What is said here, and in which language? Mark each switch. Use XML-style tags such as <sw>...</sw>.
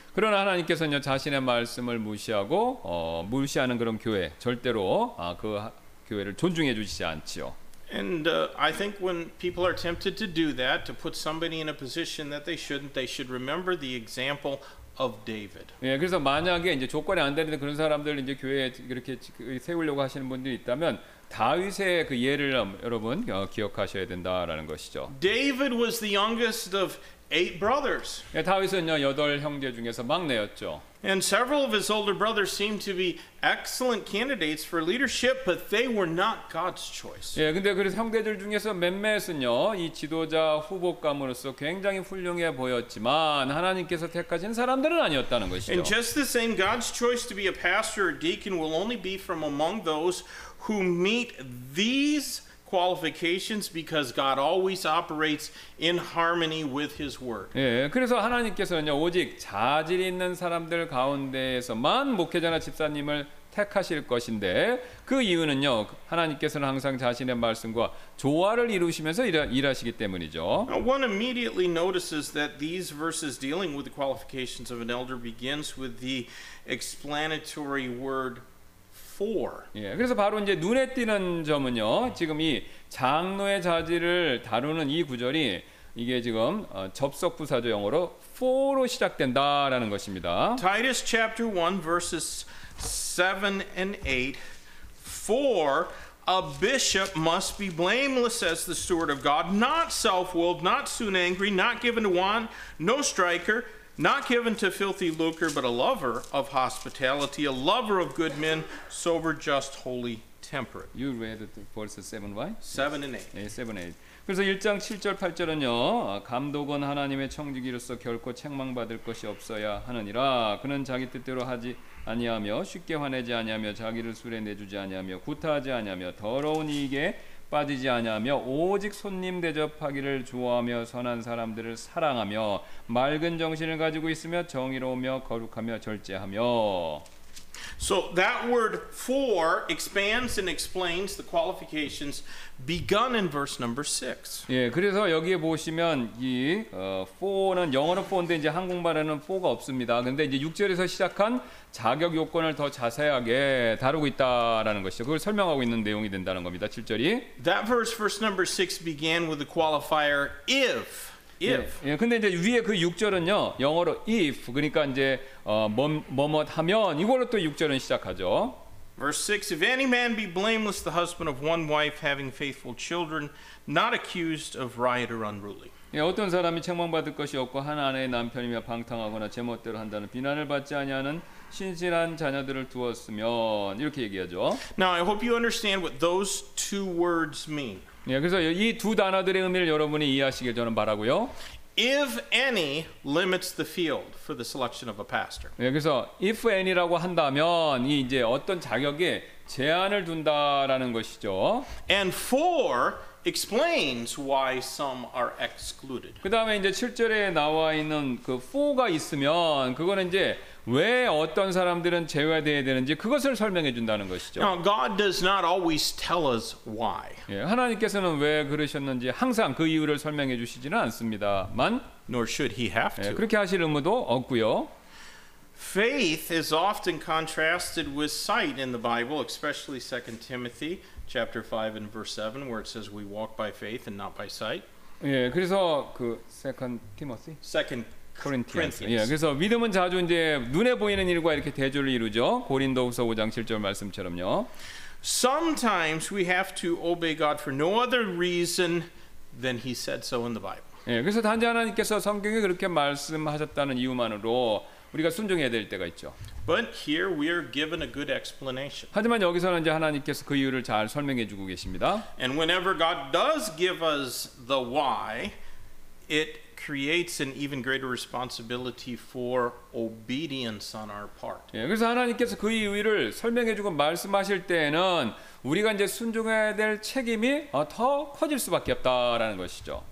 <ko>그러나 하나님께서는요 자신의 말씀을 무시하고 무시하는 그런 교회 절대로 그 교회를 존중해 주시지 않지요.</ko> <en>And I think when people are tempted to do that, to put somebody in a position that they shouldn't, they should remember the example of David.</en> <ko>예, 그래서 만약에 이제 조건이 안 되는데 그런 사람들 이제 교회에 이렇게 세우려고 하시는 분들이 있다면 다윗의 그 예를 여러분 기억하셔야 된다라는 것이죠.</ko> <en>David was the youngest of eight brothers.</en> <ko>예, 다윗은요 여덟 형제 중에서 막내였죠.</ko> <en>And several of his older brothers seemed to be excellent candidates for leadership, but they were not God's choice.</en> <ko>예, 근데 그 형제들 중에서 몇몇은요, 이 지도자 후보감으로서 굉장히 훌륭해 보였지만 하나님께서 택하신 사람들은 아니었다는 것이죠.</ko> <en>And just the same, God's choice to be a pastor or deacon will only be from among those who meet these qualifications because God always operates in harmony with his word.</en> <ko>예, 그래서 하나님께서는요, 오직 자질 있는 사람들 가운데에서만 목회자나 집사님을 택하실 것인데 그 이유는요, 하나님께서는 항상 자신의 말씀과 조화를 이루시면서 일하시기 때문이죠.</ko> <en>Now, one immediately notices that these verses dealing with the qualifications of an elder begins with the explanatory word for.</en> <ko>예, 그래서 바로 이제 눈에 띄는 점은요, 지금 이 장로의 자질을 다루는 이 구절이 이게 지금 접속 부사죠, 영어로 for로 시작된다라는 것입니다.</ko> <en>Titus chapter 1 verses 7 and 8. For a bishop must be blameless as the steward of God, not self-willed, not soon angry, not given to wine, no striker, not given to filthy lucre, but a lover of hospitality, a lover of good men, sober, just, holy, temperate. You read the verses 7, why? 7 and 8. 네, 7 and 8.</en> <ko>그래서 1장 7절 8절은요, 감독은 하나님의 청지기로서 결코 책망받을 것이 없어야 하느니라. 그는 자기 뜻대로 하지 아니하며 쉽게 화내지 아니하며 자기를 술에 내주지 아니하며 구타하지 아니하며 더러운 이익에 빠지지 아니하며 오직 손님 대접하기를 좋아하며 선한 사람들을 사랑하며 맑은 정신을 가지고 있으며 정의로우며 거룩하며 절제하며.</ko> <en>So that word for expands and explains the qualifications begun in verse number 6.</en> <ko>예, 그래서 여기에 보시면 이 for는 영어로 for인데 이제 한국말에는 for가 없습니다. 근데 이제 6절에서 시작한 자격 요건을 더 자세하게 다루고 있다라는 것이죠. 그걸 설명하고 있는 내용이 된다는 겁니다. 7절이.</ko> <en>That verse number 6 began with the qualifier if. If.</en> <ko>예, 근데 이제 위에 그 6절은요, 영어로 if, 그러니까 이제 뭐뭐 하면 이걸로 또 6절은 시작하죠.</ko> <en>Verse 6, if any man be blameless, the husband of one wife, having faithful children, not accused of riot or unruly.</en> <ko>예, 어떤 사람이 책망받을 것이 없고 한 아내의 남편이며 방탕하거나 제멋대로 한다는 비난을 받지 아니하는 신실한 자녀들을 두었으면, 이렇게 얘기하죠.</ko> <en>Now I hope you understand what those two words mean.</en> <ko>예, 그래서 이 두 단어들의 의미를 여러분이 이해하시길 저는 바라고요.</ko> <en>If any limits the field for the selection of a pastor.</en> <ko>예, 그래서 if any라고 한다면 이 이제 어떤 자격에 제한을 둔다라는 것이죠.</ko> <en>And for explains why some are excluded.</en> <ko>그다음에 이제 7절에 나와 있는 그 for가 있으면 그거는 이제 왜 어떤 사람들은 제외되어야 되는지 그것을 설명해 준다는 것이죠.</ko> <en>Now, God does not always tell us why.</en> <ko>예, 하나님께서는 왜 그러셨는지 항상 그 이유를 설명해 주시지는 않습니다만</ko> <en>nor should he have to.</en> <ko>예, 그렇게 하실 의무도 없고요.</ko> <en>Faith is often contrasted with sight in the Bible, especially 2 Timothy chapter 5 and verse 7 where it says we walk by faith and not by sight.</en> <ko>예, 그래서 그 2 Timothy</ko> <en>2 Corinthians.</en> <ko>예, 그래서 믿음은 자주 이제 눈에 보이는 일과 이렇게 대조를 이루죠. 고린도후서 5장 7절 말씀처럼요.</ko> <en>Sometimes we have to obey God for no other reason than he said so in the Bible.</en> <ko>예, 그래서 단지 하나님께서 성경에 그렇게 말씀하셨다는 이유만으로 우리가 순종해야 될 때가 있죠.</ko> <en>But here we are given a good explanation.</en> <ko>하지만 여기서는 이제 하나님께서 그 이유를 잘 설명해 주고 계십니다.</ko> <en>And whenever God does give us the why, it creates an even greater responsibility for obedience on our part.</en> <ko>예, 그래서 하나님께서 그 이유를 설명해 주고 말씀하실 때에는 우리가 이제 순종해야 될 책임이 더 커질 수밖에 없다라는 것이죠.</ko>